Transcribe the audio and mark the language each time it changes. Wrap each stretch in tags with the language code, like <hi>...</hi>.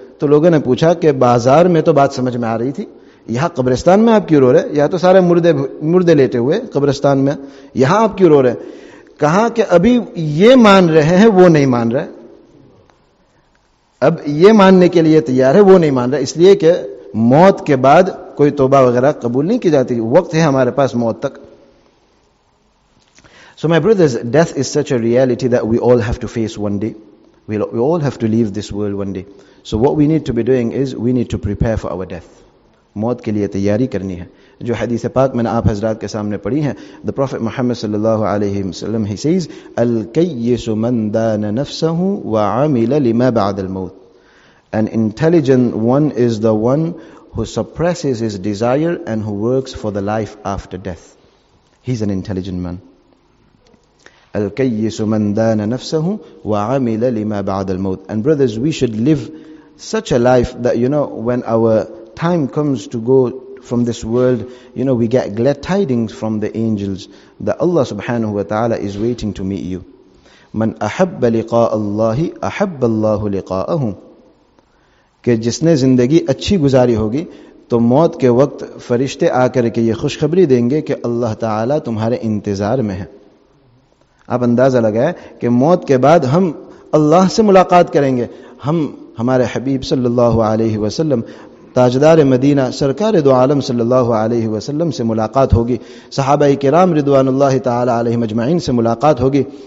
<ur>تو لوگوں نے پوچھا کہ بازار میں تو بات سمجھ میں آ رہی تھی, یہاں قبرستان میں آپ کیوں رو رہے؟ یا تو سارے مردے لیٹے ہوئے قبرستان میں, یہاں آپ کیوں رو رہے؟ کہا کہ ابھی یہ مان رہے ہیں وہ نہیں مان رہے, اب یہ ماننے کے لیے تیار ہے وہ نہیں مان رہا, اس لیے کہ موت کے بعد کوئی توبہ وغیرہ قبول نہیں کی جاتی, وقت ہے ہمارے پاس موت تک.</ur> <en>So my brothers, death is such a reality that we all have to face one day, we all have to leave this world one day. So what we need to be doing is we need to prepare for our death.</en> <ur>موت کے لیے تیاری کرنی ہے. جو حدیث پاک میں نے آپ حضرات کے سامنے پڑھی ہیں,</ur> <en>the Prophet Muhammad صلی اللہ علیہ وسلم, he says</en> <ar>الکیس من دان نفسه وعمل لما بعد الموت.</ar> <en>An intelligent one is the one who suppresses his desire and who works for the life after death. He's an intelligent man.</en> <ar>الکیس من دان نفسه وعمل لما بعد الموت.</ar> <en>And brothers, we should live such a life that, you know, when our time comes to go from this world, you know, we get glad tidings from the angels that Allah subhanahu wa ta'ala is waiting to meet you.</en> <ar>من احب لقاء الله احب الله لقاءه.</ar> <ur>کہ جس نے زندگی اچھی گزاری ہوگی تو موت کے وقت فرشتے آ کر کے یہ خوشخبری دیں گے کہ اللہ تعالیٰ تمہارے انتظار میں ہے. آپ اندازہ لگائیں کہ موت کے بعد ہم اللہ سے ملاقات کریں گے, ہمارے حبیب صلی اللہ علیہ وسلم, تاجدار مدینہ سرکار دو عالم صلی اللہ علیہ وسلم سے ملاقات ہوگی, صحابہ کرام رضوان اللہ تعالی علیہ مجمعین سے ملاقات ہوگی.</ur>